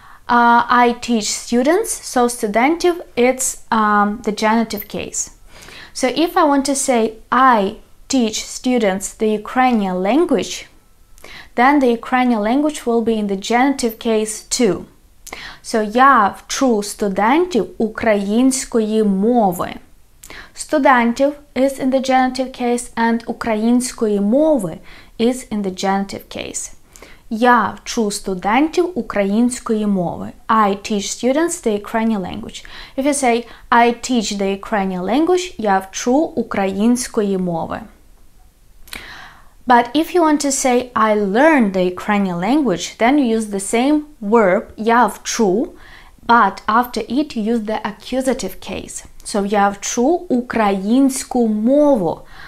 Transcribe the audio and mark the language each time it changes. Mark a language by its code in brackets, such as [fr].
[en] I teach students, so [uk] студентів, [en] it's the genitive case. So if I want to say I teach students the Ukrainian language, then the Ukrainian language will be in the genitive case too. So, [uk] я вчу студентів української мови. Студентів [en] is in the genitive case and [uk] української мови [en] is in the genitive case. [uk] Я вчу студентів української мови. [en] I teach students the Ukrainian language. If you say I teach the Ukrainian language, [uk] я вчу української мови. [en] But if you want to say I learned the Ukrainian language, then you use the same verb [uk] я вчу, [en] but after it you use the accusative case. So [uk] я вчу українську мову.